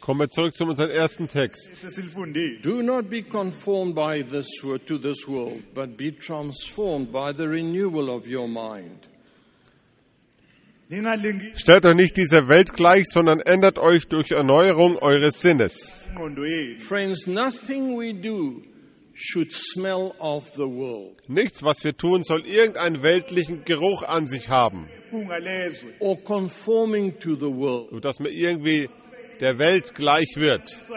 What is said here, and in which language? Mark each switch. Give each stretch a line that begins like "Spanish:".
German: Kommen wir zurück zu unserem ersten Text.
English: Do not be conformed by this world, to this world, but be transformed by the renewal of your mind.
German: Stellt euch nicht dieser Welt gleich, sondern ändert euch durch Erneuerung eures Sinnes.
English: Friends, nothing we do should smell of the world.
German: Nichts, was wir tun, soll irgendeinen weltlichen Geruch an sich haben.
English: Or conforming to the world.
German: Und dass man irgendwie der Welt gleich wird.